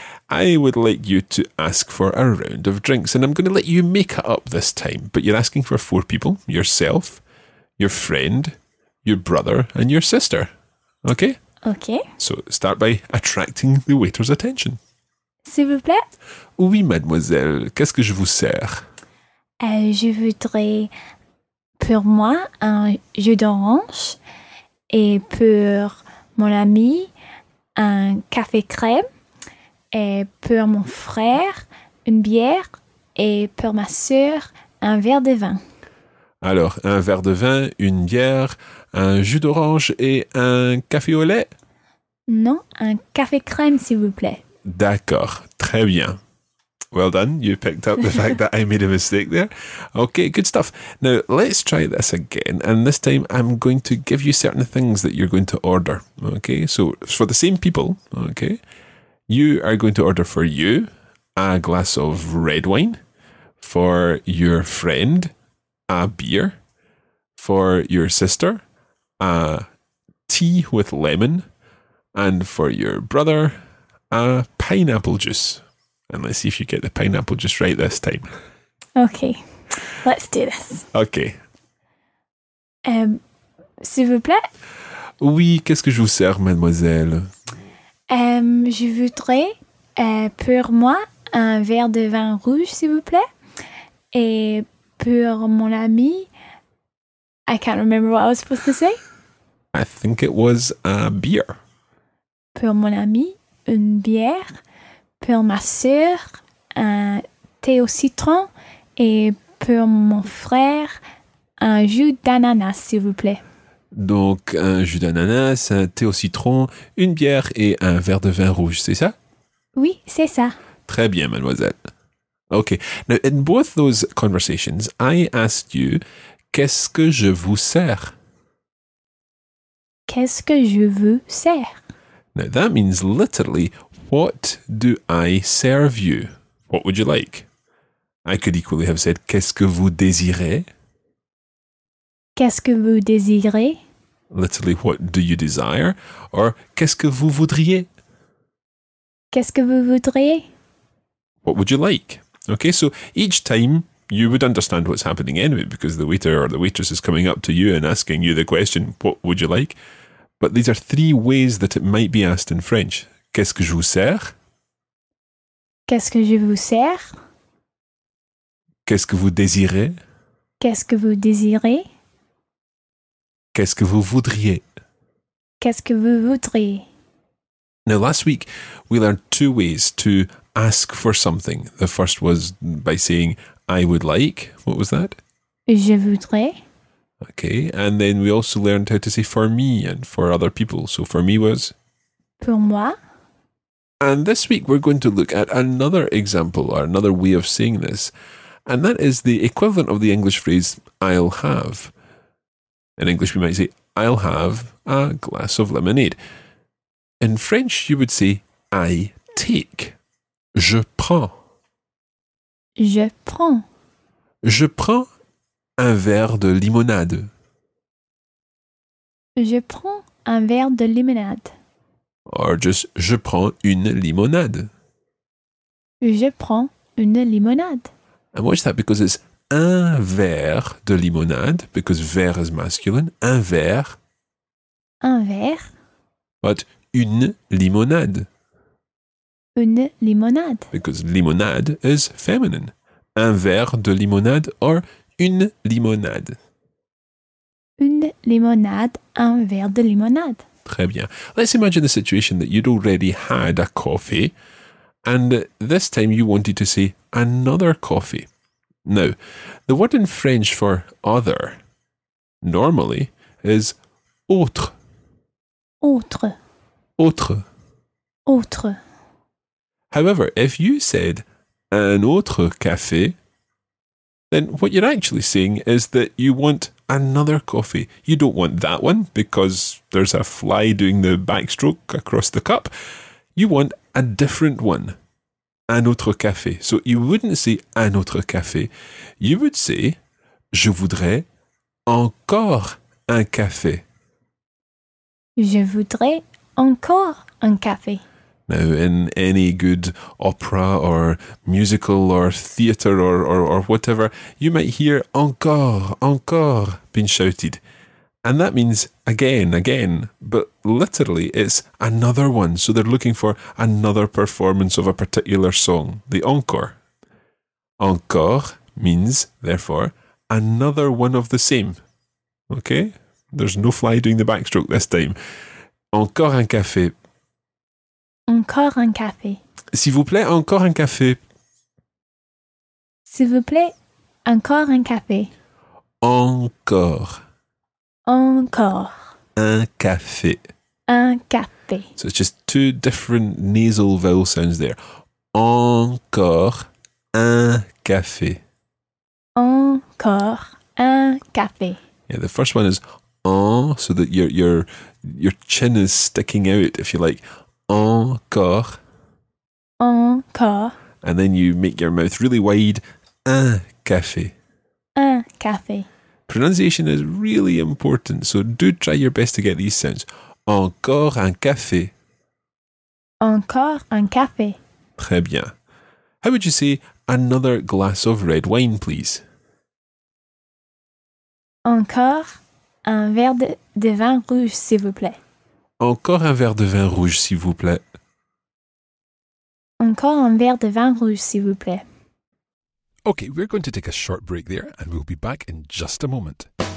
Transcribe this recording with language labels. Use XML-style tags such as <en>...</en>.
<en>I would like you to ask for a round of drinks, and I'm going to let you make it up this time, but you're asking for four people: yourself, your friend, your brother, and your sister. Okay? Okay. So start by attracting the waiter's attention.</en> <fr>S'il vous plaît. Oui, mademoiselle. Qu'est-ce que je vous sers? Je voudrais pour moi un jus d'orange et pour mon ami un café crème. Et pour mon frère, une bière. Et pour ma sœur, un verre de vin. Alors, un verre de vin, une bière, un jus d'orange et un café au lait? Non, un café crème, s'il vous plaît. D'accord, très bien.</fr> <en>Well done, you picked up the fact that I made a mistake there. Okay, good stuff. Now, let's try this again. And this time, I'm going to give you certain things that you're going to order. Okay, so for the same people, okay... You are going to order for you a glass of red wine, for your friend a beer, for your sister a tea with lemon, and for your brother a pineapple juice. And let's see if you get the pineapple juice right this time. Okay, let's do this. Okay.</en> <fr>S'il vous plaît? Oui, qu'est-ce que je vous sers, mademoiselle? Je voudrais pour moi un verre de vin rouge, s'il vous plaît. Et pour mon ami,</fr> <en>I can't remember what I was supposed to say. I think it was a beer.</en> <fr>Pour mon ami, une bière. Pour ma sœur, un thé au citron. Et pour mon frère, un jus d'ananas, s'il vous plaît. Donc, un jus d'ananas, un thé au citron, une bière et un verre de vin rouge, c'est ça? Oui, c'est ça. Très bien, mademoiselle.</fr> <en>Okay, now in both those conversations, I asked you,</en> <fr>qu'est-ce que je vous sers? Qu'est-ce que je vous sers?</fr> <en>Now that means literally, What do I serve you? What would you like? I could equally have said,</en> <fr>qu'est-ce que vous désirez? Qu'est-ce que vous désirez?</fr> <en>Literally, what do you desire? Or,</en> <fr>qu'est-ce que vous voudriez? Qu'est-ce que vous voudriez?</fr> <en>What would you like? Okay, so each time you would understand what's happening anyway because the waiter or the waitress is coming up to you and asking you the question, what would you like? But these are three ways that it might be asked in French.</en> <fr>Qu'est-ce que je vous sers? Qu'est-ce que je vous sers? Qu'est-ce que vous désirez? Qu'est-ce que vous désirez? Qu'est-ce que vous voudriez? Qu'est-ce que vous voudriez?</fr> <en>Now, last week, we learned two ways to ask for something. The first was by saying, I would like. What was that?</en> <fr>Je voudrais.</fr> <en>Okay, and then we also learned how to say for me and for other people. So for me was?</en> <fr>Pour moi.</fr> <en>And this week, we're going to look at another example or another way of saying this. And that is the equivalent of the English phrase, I'll have. In English, we might say, I'll have a glass of lemonade. In French, you would say, I take.</en> <fr>Je prends. Je prends. Je prends un verre de limonade. Je prends un verre de limonade. Or just, je prends une limonade. Je prends une limonade.</fr> <en>And watch that because it's</en> <fr>un verre de limonade,</fr> <en>because verre is masculine.</en> <fr>Un verre. Un verre. But une limonade. Une limonade.</fr> <en>Because limonade is feminine.</en> <fr>Un verre de limonade or une limonade. Une limonade, un verre de limonade. Très bien.</fr> <en>Let's imagine the situation that you'd already had a coffee and this time you wanted to say another coffee. Now, the word in French for other, normally, is autre.</en> <fr>Autre. Autre. Autre.</fr> <en>However, if you said</en> <fr>un autre café,</fr> <en>then what you're actually saying is that you want another coffee. You don't want that one because there's a fly doing the backstroke across the cup. You want a different one.</en> <fr>Un autre café.</fr> <en>So you wouldn't say</en> <fr>un autre café.</fr> <en>You would say,</en> <fr>je voudrais encore un café. Je voudrais encore un café.</fr> <en>Now, in any good opera or musical or theatre or whatever, you might hear encore, encore being shouted. And that means again, again, but literally it's another one. So they're looking for another performance of a particular song, the encore. Encore means, therefore, another one of the same. Okay? There's no fly doing the backstroke this time.</en> <fr>Encore un café. Encore un café. S'il vous plaît, encore un café. S'il vous plaît, encore un café. Encore. Encore. Un café. Un café.</fr> <en>So it's just two different nasal vowel sounds there.</en> <fr>Encore un café. Encore un café.</fr> <en>Yeah, the first one is en, so that your chin is sticking out, if you like.</en> <fr>Encore. Encore.</fr> <en>And then you make your mouth really wide.</en> <fr>Un café. Un café.</fr> <en>Pronunciation is really important, so do try your best to get these sounds.</en> <fr>Encore un café. Encore un café. Très bien.</fr> <en>How would you say another glass of red wine, please?</en> <fr>Encore un verre de vin rouge, s'il vous plaît. Encore un verre de vin rouge, s'il vous plaît. Encore un verre de vin rouge, s'il vous plaît.</fr> <en>Okay, we're going to take a short break there and we'll be back in just a moment.</en>